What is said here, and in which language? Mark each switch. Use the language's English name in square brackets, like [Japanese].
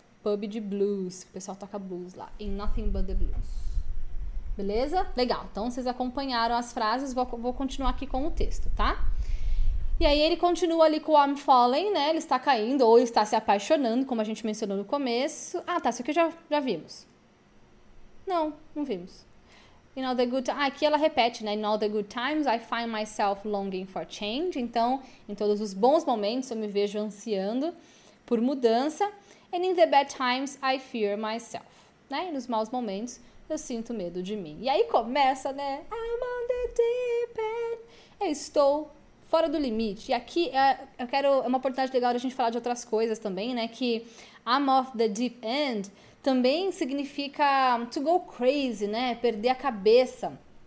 [Portuguese] Pub de blues. O pessoal toca blues lá. In Nothing But The Blues. Beleza? Legal. Então, vocês acompanharam as frases. Vou continuar aqui com o texto, tá? E aí, ele continua ali com o [English] I'm falling, [Portuguese] né? Ele está caindo ou está se apaixonando, como a gente mencionou no começo. Ah, tá. Isso aqui já vimos. Não, não vimos. [English] In all the good, [Portuguese] aqui ela repete, né? [English] In all the good times, I find myself longing for change. [Portuguese] Então, em todos os bons momentos, eu me vejo ansiando por mudança. [English] And in the bad times, I fear myself. [Portuguese] Né? E nos maus momentos, eu sinto medo de mim. E aí começa, né? [English] I'm on the deep end. [Portuguese] Eu estou fora do limite. E aqui eu quero é uma oportunidade legal de a gente falar de outras coisas também, né? Que [English] I'm off the deep end [Portuguese] também significa [English] to go crazy, [Portuguese] né? Perder a cabeça.